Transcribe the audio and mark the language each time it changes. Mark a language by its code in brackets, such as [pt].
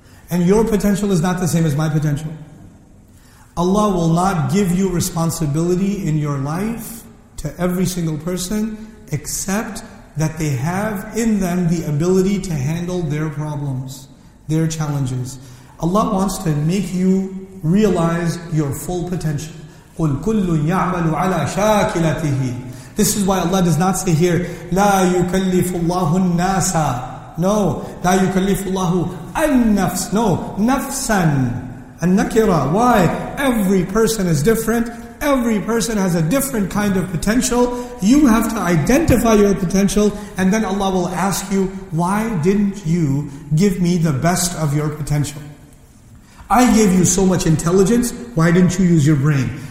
[en] And your potential is not the same as my potential. Allah will not give you responsibility in your life to every single person except that they have in them the ability to handle their problems, their challenges. Allah wants to make you realize your full potential. [ar] قُلْ كُلُّ يَعْمَلُ عَلَى شَاكِلَتِهِ. [en] This is why Allah does not say here, لَا يُكَلِّفُ اللَّهُ النَّاسَ. [ar] No, لَا يُكَلِّفُ اللَّهُ النَّفْسِ. No, نَفْسًا. النَّكِرَ. Why? [en] Every person is different. Every person has a different kind of potential. You have to identify your potential, and then Allah will ask you, why didn't you give me the best of your potential? I gave you so much intelligence, why didn't you use your brain?